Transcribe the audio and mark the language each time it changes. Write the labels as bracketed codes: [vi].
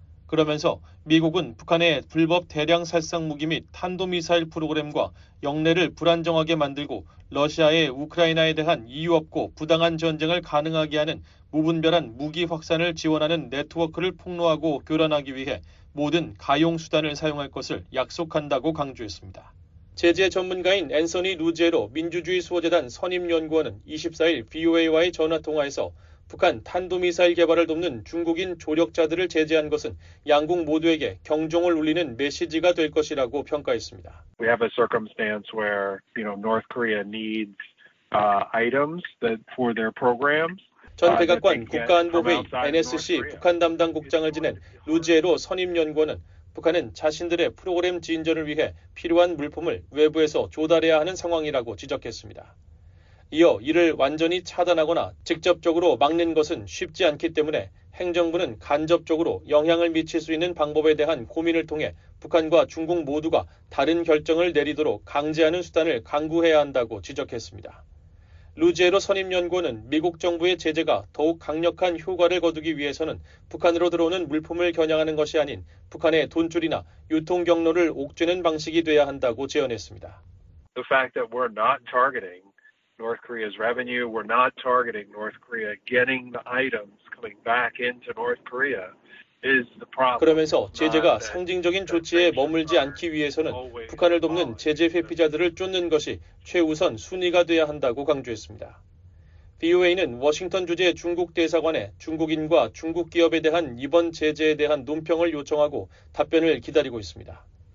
[ko] 그러면서 미국은 북한의 불법 대량 살상 무기 및 탄도미사일 프로그램과 영내를 불안정하게 만들고 러시아의 우크라이나에 대한 이유 없고 부당한 전쟁을 가능하게 하는 무분별한 무기 확산을 지원하는 네트워크를 폭로하고 교란하기 위해 모든 가용 수단을 사용할 것을 약속한다고 강조했습니다. 제재 전문가인 앤서니 루제로 민주주의 수호재단 선임연구원은 24일 VOA와의 전화통화에서 북한 탄도미사일 개발을 돕는 중국인 조력자들을 제재한 것은 양국 모두에게 경종을 울리는 메시지가 될 것이라고 평가했습니다. [en] We have a circumstance where, you know, North Korea needs items that for their programs. [ko] 전 백악관 국가안보회의 NSC 북한 담당 국장을 지낸 루지에로 선임 연구원은 북한은 자신들의 프로그램 진전을 위해 필요한 물품을 외부에서 조달해야 하는 상황이라고 지적했습니다. 이어 이를 완전히 차단하거나 직접적으로 막는 것은 쉽지 않기 때문에 행정부는 간접적으로 영향을 미칠 수 있는 방법에 대한 고민을 통해 북한과 중국 모두가 다른 결정을 내리도록 강제하는 수단을 강구해야 한다고 지적했습니다. 루지에로 선임연구원은 미국 정부의 제재가 더욱 강력한 효과를 거두기 위해서는 북한으로 들어오는 물품을 겨냥하는 것이 아닌 북한의 돈줄이나 유통 경로를 옥죄는 방식이 돼야 한다고 제언했습니다. [en] The fact that we're not targeting North Korea's revenue, we're not targeting North Korea getting the items coming back into North Korea. [ko] 그러면서 제재가 상징적인 조치에 머물지 않기 위해서는 북한을 돕는 제재 회피자들을 쫓는 것이 최우선 순위가 돼야 한다고 강조했습니다. VOA는 워싱턴 주재 중국 대사관에 중국인과 중국 기업에 대한 이번 제재에 대한 논평을 요청하고 답변을 기다리고 있습니다.